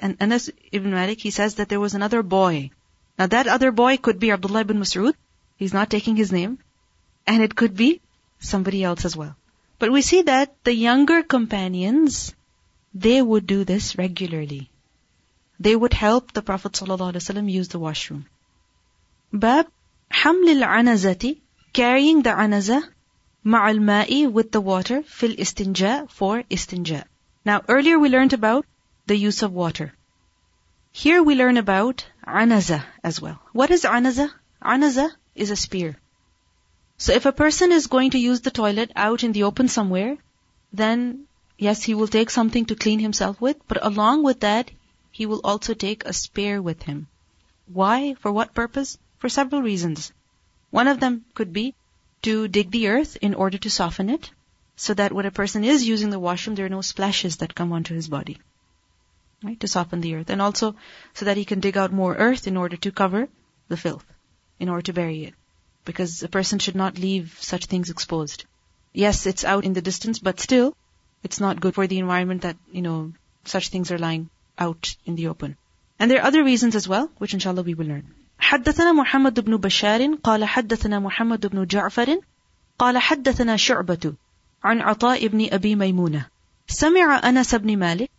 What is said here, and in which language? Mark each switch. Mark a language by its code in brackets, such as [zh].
[en] And Anas ibn Malik, he says that there was another boy. Now that other boy could be Abdullah ibn Mas'ud. He's not taking his name. And it could be somebody else as well. But we see that the younger companions, they would do this regularly. They would help the Prophet ﷺ use the washroom. [ar] Bab, حمل العنزة, [en] carrying the [ar] عنزة, مع الماء, [en] with the water, [ar] في الاستنجاء, [en] for [ar] استنجاء. [en] Now, earlier we learned about the use of water. Here we learn about عنزة as well. What is عنزة? عنزة is a spear. So if a person is going to use the toilet out in the open somewhere, then yes, he will take something to clean himself with, but along with that, he will also take a spear with him. Why? For what purpose? For several reasons. One of them could be to dig the earth in order to soften it, so that when a person is using the washroom, there are no splashes that come onto his body. Right? To soften the earth. And also so that he can dig out more earth in order to cover the filth, in order to bury it. Because a person should not leave such things exposed. Yes, it's out in the distance, but still, it's not good for the environment that, you know, such things are lying out in the open. And there are other reasons as well, which inshallah we will learn. [ar] حدثنا محمد بن بشار قال حدثنا محمد بن جعفر قال حدثنا شعبة عن عطاء بن أبي ميمونة سمع أنس بن مالك.